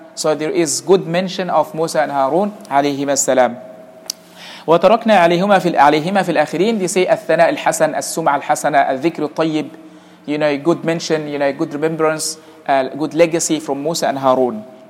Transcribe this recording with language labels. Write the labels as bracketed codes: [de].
[en] So there is good mention of Musa and Harun alayhim as-salam. [ar] وَتَرَكْنَا عَلَيْهِمَا فِي الْآخِرِينَ. [en] They say [ar] الثناء الحسن, السمع الحسنة, الذكر الطيب. [en] Good mention, good remembrance, good legacy from Musa and Harun.